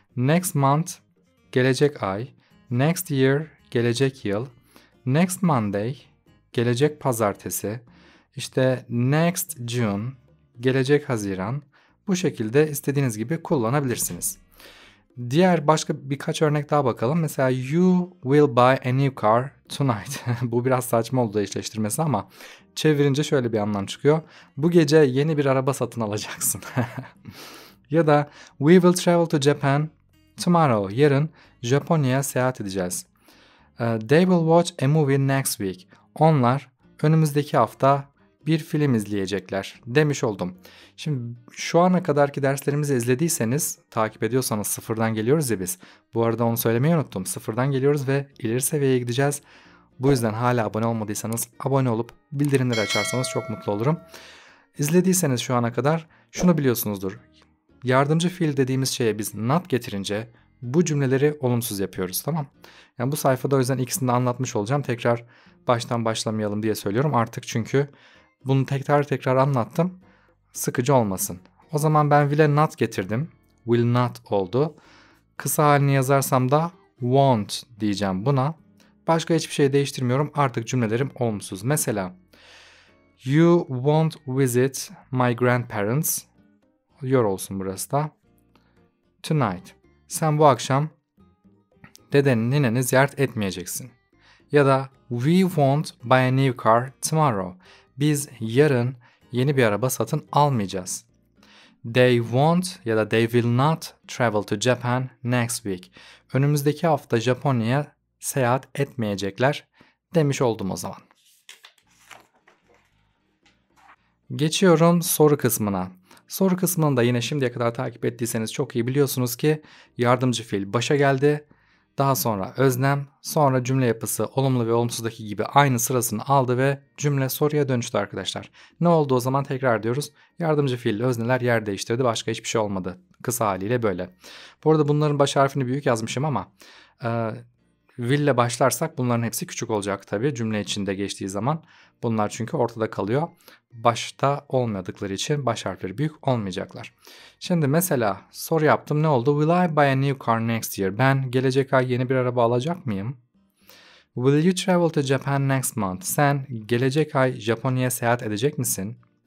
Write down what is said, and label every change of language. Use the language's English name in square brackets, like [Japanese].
[English] Next month [Turkish] gelecek ay. [English] Next year [Turkish] gelecek yıl. [English] Next Monday [Turkish] gelecek pazartesi. İşte [English] next June, [Turkish] gelecek Haziran, bu şekilde istediğiniz gibi kullanabilirsiniz. Diğer başka birkaç örnek daha bakalım. [English] Mesela you will buy a new car tonight. [Turkish] Bu biraz saçma oldu eşleştirmesi ama çevirince şöyle bir anlam çıkıyor. Bu gece yeni bir araba satın alacaksın. Ya da [English] we will travel to Japan tomorrow. [Turkish] Yarın Japonya'ya seyahat edeceğiz. [English] They will watch a movie next week. [Turkish] Onlar önümüzdeki hafta bir film izleyecekler demiş oldum. Şimdi şu ana kadarki derslerimizi izlediyseniz, takip ediyorsanız, sıfırdan geliyoruz ya biz. Bu arada onu söylemeyi unuttum. Sıfırdan geliyoruz ve ileri seviyeye gideceğiz. Bu yüzden hala abone olmadıysanız abone olup bildirimleri açarsanız çok mutlu olurum. İzlediyseniz şu ana kadar şunu biliyorsunuzdur. Yardımcı fiil dediğimiz şeye biz not getirince bu cümleleri olumsuz yapıyoruz, tamam? Yani bu sayfada o yüzden ikisini de anlatmış olacağım. Tekrar baştan başlamayalım diye söylüyorum artık, çünkü bunu tekrar tekrar anlattım. Sıkıcı olmasın. O zaman ben will'e not getirdim. Will not oldu. Kısa halini yazarsam da won't diyeceğim buna. Başka hiçbir şey değiştirmiyorum. Artık cümlelerim olumsuz. [English] Mesela you won't visit my grandparents. [Turkish] Your olsun burası da. Tonight. Sen bu akşam dedenin nineni ziyaret etmeyeceksin. [English] Ya da we won't buy a new car tomorrow. [Turkish] Biz yarın yeni bir araba satın almayacağız. [English] They won't [Turkish] ya da [English] they will not travel to Japan next week. [Turkish] Önümüzdeki hafta Japonya'ya seyahat etmeyecekler demiş oldum o zaman. Geçiyorum soru kısmına. Soru kısmında yine şimdiye kadar takip ettiyseniz çok iyi biliyorsunuz ki yardımcı fiil başa geldi. Daha sonra öznem, sonra cümle yapısı olumlu ve olumsuzdaki gibi aynı sırasını aldı ve cümle soruya dönüştü arkadaşlar. Ne oldu o zaman tekrar diyoruz. Yardımcı fiil özneler yer değiştirdi, başka hiçbir şey olmadı. Kısa haliyle böyle. Bu arada bunların baş harfini büyük yazmışım ama will ile başlarsak bunların hepsi küçük olacak tabii cümle içinde geçtiği zaman. Bunlar çünkü ortada kalıyor. Başta olmadıkları için baş harfleri büyük olmayacaklar. Şimdi mesela soru yaptım, ne oldu? [English] Will I buy a new car next year? [Turkish] Ben gelecek ay yeni bir araba alacak mıyım? [English] Will you travel to Japan next month? [Turkish] Sen gelecek ay Japonya'ya seyahat edecek misin?